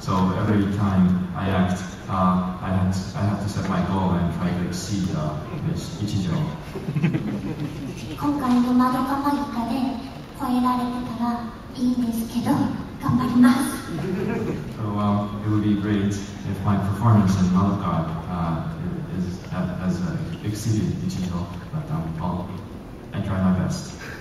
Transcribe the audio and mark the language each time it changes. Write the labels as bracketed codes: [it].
[en] So every time I act, I have to set my goal and try to exceed this Ichijo. [ja] 今回のマドカマギカで超えられてたらいいんですけど、頑張ります。So [en] it would be great if my performance in Madoka has exceeded Ichijo, but I try my best.